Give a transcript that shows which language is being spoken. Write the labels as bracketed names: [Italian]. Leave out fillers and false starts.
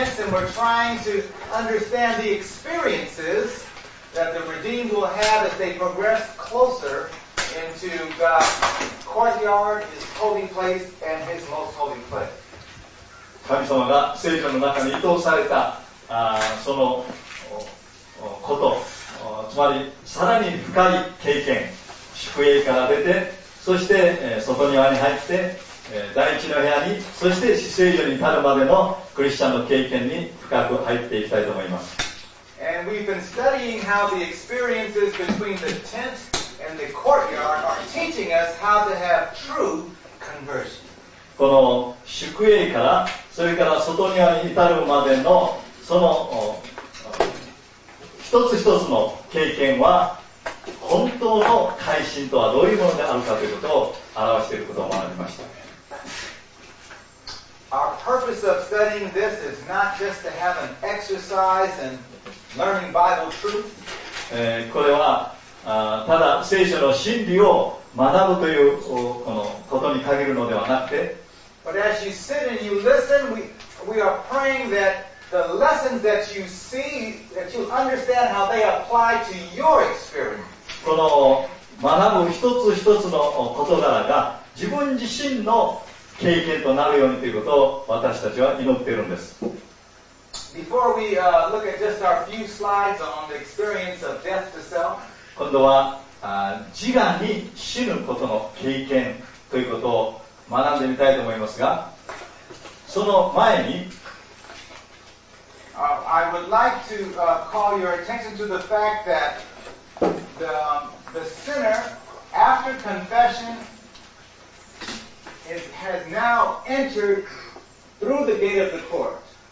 [English] Understand the experiences that the redeemed will have as they progress closer into God's courtyard, His holy place, and His most holy place. [Japanese] 神様が聖所の中に移動されたそのこと、つまりさらに深い経験、宿営から出て、そして外庭に入って、第一の部屋に、そして至聖所に至るまでのクリスチャンの経験に深く入っていきたいと思います。 [English] And we've been studying how the experiences between the tent and the courtyard are teaching us how to have true conversion. [Japanese] この宿営から、それから外庭に至るまでのその一つ一つの経験は本当の改心とはどういうものであるかということを表していることを学びました。 [English] Our purpose of studying this is not just to have an exercise and learning Bible truth. [Japanese] これはただ聖書の真理を学ぶというこのことに限るのではなくて、 [English] But as you sit and you listen, we are praying that the lessons that you see, that you understand how they apply to your experience. [Japanese] この学ぶ一つ一つの事柄が自分自身の経験となるようにということを私たちは祈っているんです。 [English] Before we look at just our few slides on the experience of death to self, [Japanese] 今度は自我に死ぬことの経験ということを学んでみたいと思いますが、その前に、 [English] I would like to call your attention to the fact that the sinner, after confession, has now entered through the gate of the court.